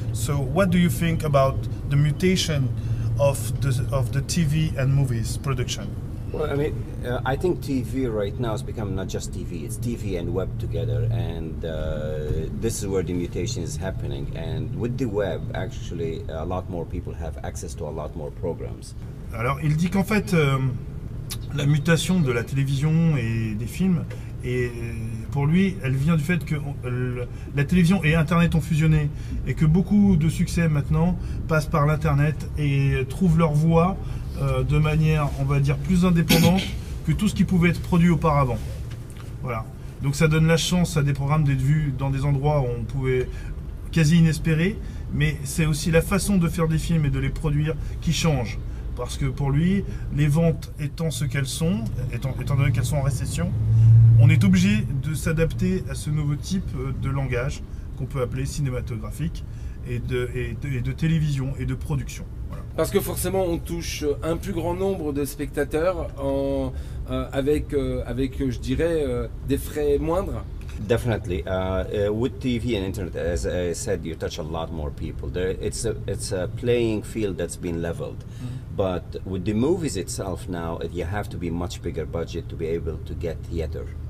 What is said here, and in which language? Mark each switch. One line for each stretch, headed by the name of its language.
English: So what do you think about the mutation of the TV and movies production? Well, I mean, I think TV right now has become not just TV, it's TV and web together, and this is where the mutation is happening. And with the web, actually, a lot more people have access to a lot more programs.
French: Alors, il dit qu'en fait, la mutation de la télévision et des films, et pour lui, elle vient du fait que la télévision et Internet ont fusionné, et que beaucoup de succès maintenant passent par l'Internet et trouvent leur voie de manière, on va dire, plus indépendante que tout ce qui pouvait être produit auparavant. Voilà. Donc ça donne la chance à des programmes d'être vus dans des endroits où on pouvait quasi inespérer, mais c'est aussi la façon de faire des films et de les produire qui change. Parce que pour lui, les ventes étant ce qu'elles sont, étant donné qu'elles sont en récession, on est obligé de s'adapter à ce nouveau type de langage qu'on peut appeler cinématographique et de télévision et de production. Voilà. Parce que forcément, on touche un plus grand nombre de spectateurs avec des frais moindres.
English: Definitely. With TV and internet, as I said, you touch a lot more people. It's a playing field that's been leveled. Mm-hmm. But with the movies itself now, you have to be much bigger budget to be able to get theater.